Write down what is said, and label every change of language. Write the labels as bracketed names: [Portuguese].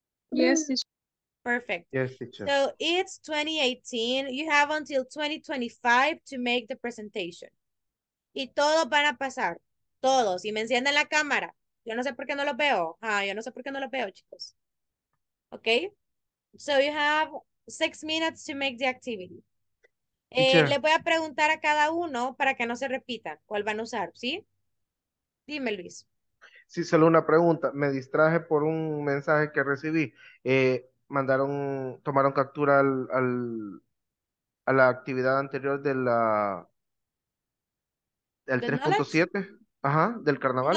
[English] Yes. Perfect. Yes, teacher. So it's 2018. You have until 2025 to make the presentation. [Spanish] Y todos van a pasar. Todos. Y me encienden la cámara. Yo no sé por qué no los veo. Ah, yo no sé por qué no los veo, chicos. [English] Okay. So you have 6 minutes to make the activity. [Spanish] Le voy a preguntar a cada uno para que no se repitan. ¿Cuál van a usar? ¿Sí? Dime, Luis. Sí, solo una pregunta. Me distraje por un mensaje que recibí. Tomaron captura a la actividad anterior de la del 3.7, ajá, del carnaval.